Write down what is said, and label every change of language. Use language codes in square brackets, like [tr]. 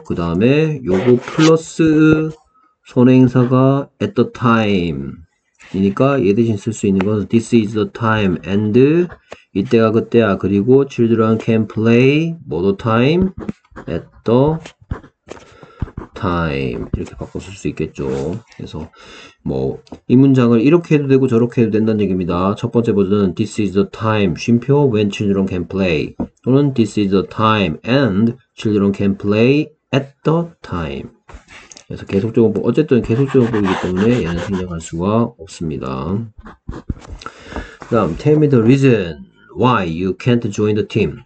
[ko] 그 다음에 요거 플러스 선행사가 at the time 이니까 얘 대신 쓸수 있는 건 [en] this is the time and [ko] 이때가 그때야. [en] 그리고 children can play more time at the time [ko] 이렇게 바꿔 쓸수 있겠죠. 그래서 뭐이 문장을 이렇게 해도 되고 저렇게 해도 된다는 얘기입니다. [en] 첫 번째 버전은 this is the time 쉼표 when children can play 또는 this is the time and children can play at the time. [ko] 그래서 계속적 용법, 어쨌든 계속적 용법이기 때문에 얘는 생략할 수가 없습니다. [en] 다음, tell me the reason why you can't join the team.